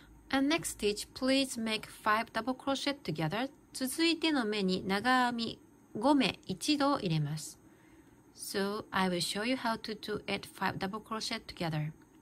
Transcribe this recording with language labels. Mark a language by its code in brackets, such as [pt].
[en] And next stitch, please make five double crochet together. [ja] 続いての目に長編み5目一度入れます。 [en] So I will show you how to do it five double crochet together.